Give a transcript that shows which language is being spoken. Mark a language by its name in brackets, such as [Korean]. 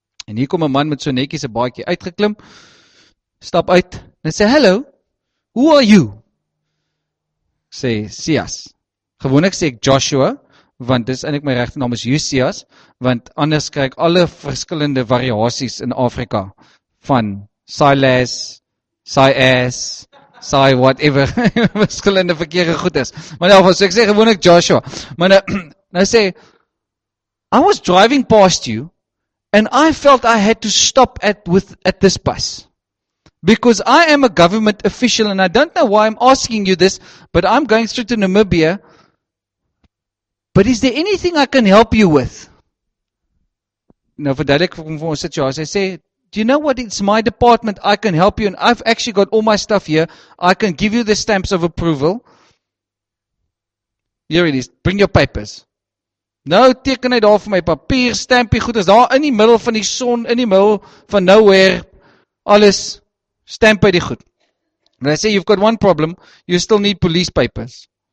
[Afrikaans] En hier kom een man met so netjies een baadjie uitgeklim, stap uit, en sê, [English] hello, who are you? [Afrikaans] Sê, Sias. Gewoonlik sê ek Joshua, want dis eindelijk my regte naam is Josias, want anders kryk alle verskillende variaties in Afrika, van Silas, Sias, saai whatever, verskillende verkeerde goed is, maar nou, so ek sê gewoon ek Joshua, maar nou sê, [English] I was driving past you, and I felt I had to stop at this bus, because I am a government official, and I don't know why I'm asking you this, but I'm going through to Namibia, but is there anything I can help you with? [Afrikaans] Nou, verduidelik vir ons situasie, sê, [English] do you know what, it's my department, I can help you, and I've actually got all my stuff here, I can give you the stamps of approval. Here it is, bring your papers. [Afrikaans] Nou teken hy daar vir my papier, stampie, goed, is daar in die middel van die son, in die middel van nowhere, alles, stamp hy die goed. [English] And I say, you've got one problem, you still need police papers.